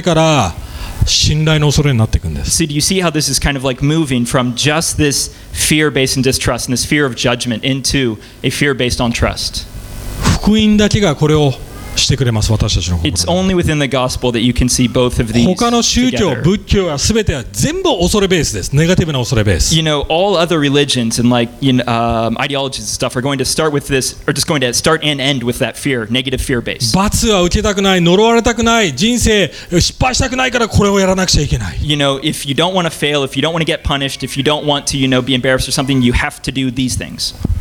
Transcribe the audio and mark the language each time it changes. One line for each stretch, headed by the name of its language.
Japanese: 言ってるのが分かります。その裁きの恐れから信頼の恐れになっていくんです。
English: So do you see how this is kind of like moving from just this fear-based and distrust and this fear of judgment into a fear-based on trust?
Japanese: 福音だけがこれを
English: It's only within the gospel that you can see both of these together. You know, all other religions and like you know, ideologies and stuff are going to start with this, or just going to start and end with that fear, negative fear base.
Japanese: 罰は受けたくない、呪われたくない、人生失敗したくないからこれをやらなくちゃいけない。
English: You know, if you don't want to fail, if you don't want to get punished, if you don't want to, you know, be embarrassed or something, you have to do these things.